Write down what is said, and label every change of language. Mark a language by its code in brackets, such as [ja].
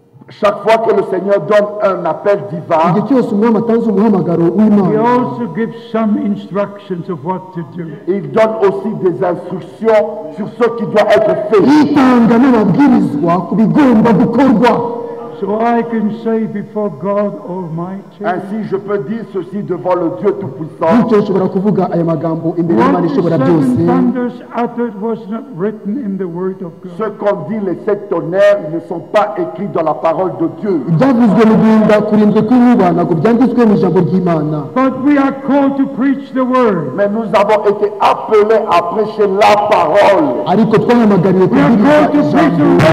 [fr] Chaque fois que le Seigneur donne un appel divin, [en] he also gives some instructions of what to do. [fr] Il donne aussi des instructions sur ce qui doit être fait. [en] So I can say before God Almighty. [fr] Ainsi, je peux dire ceci devant le Dieu Tout-Puissant. [en] What the seven thunders uttered was not written in the word of God. [fr] Ce qu'on dit les sept tonnerres ne sont pas écrits dans la parole de Dieu. [en] But we are called to preach the word. [fr] Mais nous avons été appelés à prêcher la parole. [en] We are called to preach the